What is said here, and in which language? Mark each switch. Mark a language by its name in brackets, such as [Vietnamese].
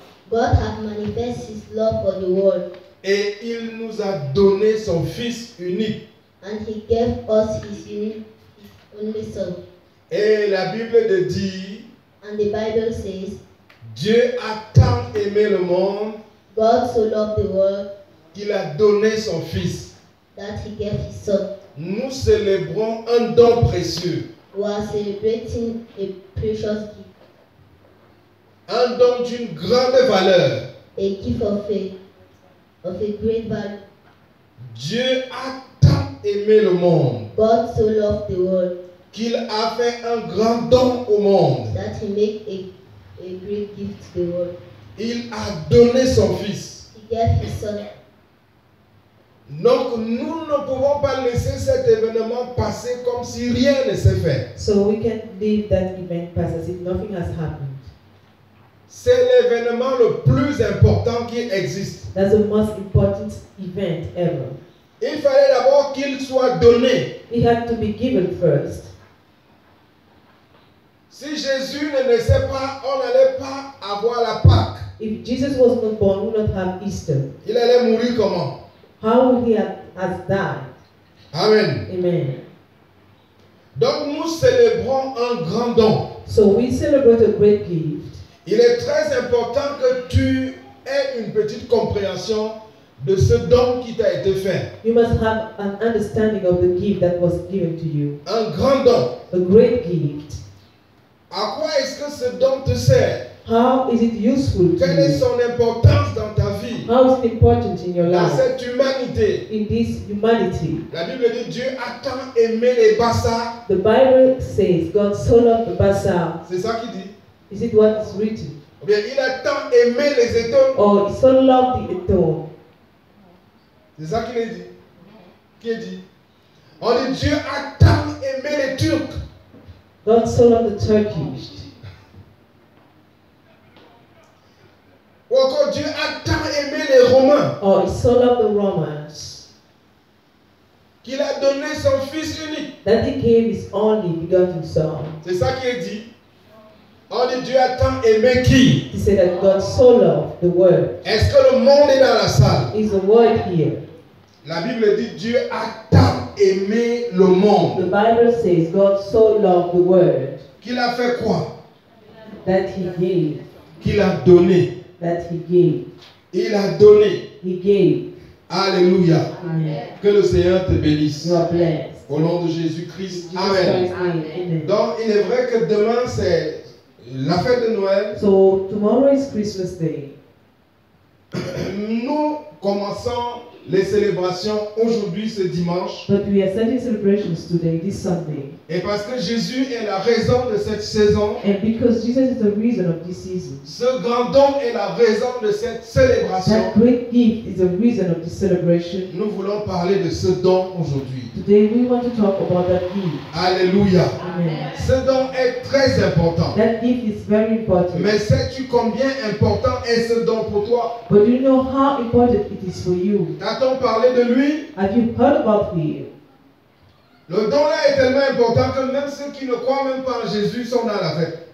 [English] God has manifested his love for the world. [French] Et il nous a donné son Fils unique. [English] And he gave us his only son. [French] Et la Bible le dit. [English] And the Bible says. [French] Dieu a tant aimé le monde. [English] God God so loved the world [French] qu'il a donné son fils. [English] That he gave his son. [French] Nous célébrons un don précieux. [English] We are celebrating a precious gift. [French] Un don d'une grande valeur. [English] A gift of a great value. [French] Dieu a tant aimé le monde. [English] God so loved the world. [French] Qu'il a fait un grand don au monde. [English] That he made a great gift to the world. [French] Il a donné son fils. [English] He gave his son. [French] Donc nous ne pouvons pas laisser cet événement passer comme si rien ne s'est fait. [English] So we can't leave that event pass as if nothing has happened. [French] C'est l'événement le plus important qui existe. [English] That's the most important event ever. [French] Il fallait d'abord qu'il soit donné. [English] It had to be given first. [French] Si Jésus ne naissait pas, on n'allait pas avoir la Pâque. [English] If Jesus was not born, we would not have Easter. [French] Il allait mourir comment? [English] How would he have died? Amen. Amen. [French] Donc nous célébrons un grand don. [English] So we celebrate a great gift. [French] Il est très important que tu aies une petite compréhension de ce don qui t'a été fait. [English] You must have an understanding of the gift that was given to you. [French] Un grand don. [English] A great gift. [French] À quoi est-ce que ce don te sert? [English] How is it useful to [French] Quelle Est son importance dans ta vie? [English] How is it important in your life? [French] Dans cette humanité. [English] In this humanity. [French] La Bible dit Dieu a tant aimé les bâtards. [English] The Bible says God so loved the bâtards. [French] C'est ça qu'il dit. [English] Is it what is written? [French] Ou bien il a tant aimé les étoiles. [English] Oh, he so loved the étoiles. [French] C'est ça qu'il dit. Qui dit? On dit Dieu a tant aimé les Turcs. [English] God so loved the Turkish. [French] Ou encore Dieu a tant aimé les Romains. [English] Oh, he so loved the Romans. [French] Qu'il a donné son fils unique. [English] That he gave his only begotten son. [French] C'est ça qu'il dit. On dit Dieu a tant aimé qui? [English] He said that God so loved the world. [French] Est-ce que le monde est dans la salle? [English] Is the world here? [French] La Bible dit Dieu a tant aimé le monde. [English] The Bible says God so loved the world. [French] Qu'il a fait quoi? [English] That he gave. [French] Qu'il a donné. [English] That he gave. [French] Il a donné. [English] He gave. Alléluia. Amen. [French] Que le Seigneur te bénisse. [English] You are blessed. [French] Au nom de Jésus-Christ. Jesus Amen. Christ, amen. Donc il est vrai que demain c'est la fête de Noël. [English] So tomorrow is Christmas Day. [French] Nous commençons les célébrations aujourd'hui, ce dimanche. [English] But we are starting celebrations today, this Sunday. [French] Et parce que Jésus est la raison de cette saison. [English] And because Jesus is the reason of this season. [French] Ce grand don est la raison de cette célébration. [English] That great gift is the reason of this celebration. [French] Nous voulons parler de ce don aujourd'hui. [English] Today we want to talk about that gift. Alléluia. Amen. [French] Ce don est très important. [English] That gift is very important. [French] Mais sais-tu combien important est ce don pour toi? [English] But you know how important it is for you. [French] A-t-on parlé de lui? [English] Have you heard about me? [French] Le don là est tellement important que même ceux qui ne croient même pas en Jésus sont dans la fête.